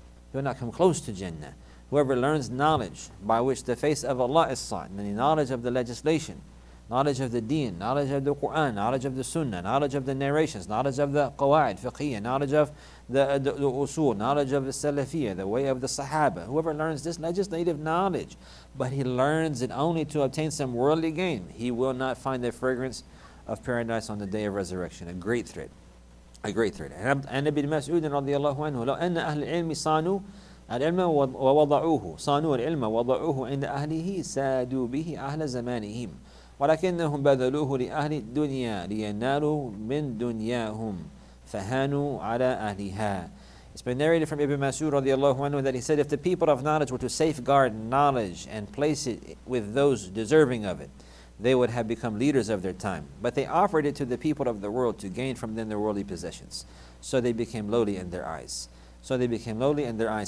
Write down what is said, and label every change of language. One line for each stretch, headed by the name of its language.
English: He will not come close to Jannah. Whoever learns knowledge by which the face of Allah is sought, meaning knowledge of the legislation, knowledge of the deen, knowledge of the Qur'an, knowledge of the sunnah, knowledge of the narrations, knowledge of the qawaid, fiqhiyah, knowledge of the usul, knowledge of the salafiyah, the way of the sahaba. Whoever learns this legislative knowledge, but he learns it only to obtain some worldly gain, he will not find the fragrance of paradise on the day of resurrection. A great threat. A great threat.
Arabic: And Ibn Mas'ud radiallahu anhu, لو أن أهل العلم صانوا العلم ووضعوه صانوا العلم ووضعوه عند أهله سادوا به أهل زمانهم ولكنهم بذلوه لأهل الدنيا لينالوا من دنياهم فهانوا على أهلها.
English: It's been narrated from Ibn Mas'ud radiallahu anhu that he said, if the people of knowledge were to safeguard knowledge and place it with those deserving of it, they would have become leaders of their time. But they offered it to the people of the world to gain from them their worldly possessions. So they became lowly in their eyes. So they became lowly in their eyes.